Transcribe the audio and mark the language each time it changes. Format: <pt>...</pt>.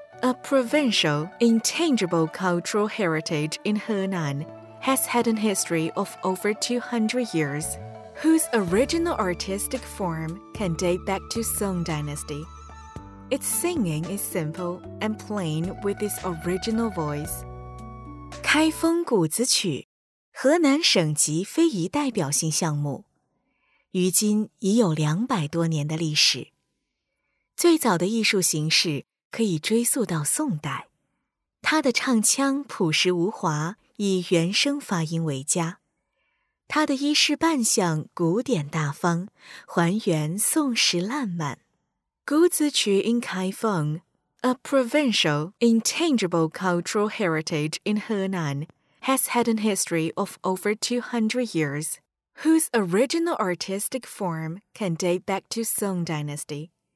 <en>A provincial, intangible cultural heritage in Henan has had a history of over 200 years, whose original artistic form can date back to Song Dynasty. Its singing is simple and plain with its original voice.</en> <zh>开封谷子曲，河南省级非遗代表性项目，于今已有200多年的历史。最早的艺术形式可以追溯到宋代，他的唱腔朴实无华，以原声发音为佳。他的衣饰扮相古典大方，还原宋时烂漫。</zh> <en>谷子曲 in 开封 A provincial, intangible cultural heritage in Henan has had a history of over 200 years, whose original artistic form can date back to Song Dynasty.</en>